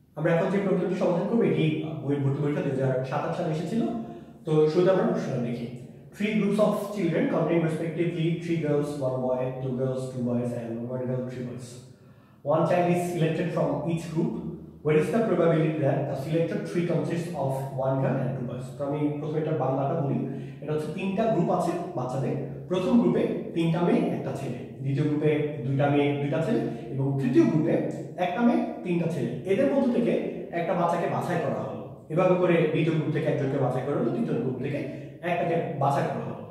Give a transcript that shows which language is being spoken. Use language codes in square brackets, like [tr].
[bn] আমরা এখন যে প্রবলেমটি সমাধান করব এটি বুয়েট ভর্তি পরীক্ষা 2027 সালে এসেছিল। তো শুরুতে আমরা প্রশ্নটা দেখি। [en] Three groups of children counting respectively three girls, one boy, two boys and one girl, three boys. One child is selected from each group. What is the probability that the selected tree consists of one girl and two boys? [bn] আমি প্রথমে এটা বাংলাটা বলি। এটা হচ্ছে তিনটা group আছে বাচ্চাদের। প্রথম গ্রুপে তিনটা মেয়ে একটা ছেলে, দ্বিতীয় গ্রুপে দুইটা মেয়ে দুইটা ছেলে এবং তৃতীয় গ্রুপে একটা মেয়ে তিনটা ছেলে। এদের মধ্য থেকে একটা বাচ্চাকে বাছাই করা হলো। এভাবে করে দ্বিতীয় গ্রুপ থেকে একজনকে বাছাই করা হলো, তৃতীয় গ্রুপ থেকে একটাকে বাছাই করা হলো।